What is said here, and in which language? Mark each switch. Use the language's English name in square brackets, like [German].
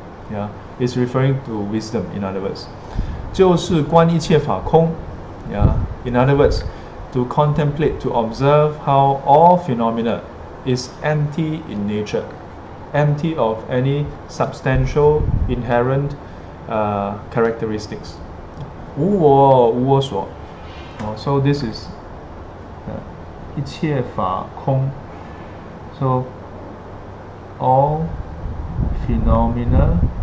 [English] Yeah, it's referring to wisdom. In other words, [Chinese] 就是观一切法空。 [English] Yeah, in other words, to contemplate, to observe how all phenomena is empty in nature, empty of any substantial inherent characteristics. [Chinese] 无我无我所 [English] So this is [Chinese] 一切法空 [English] So all phenomena.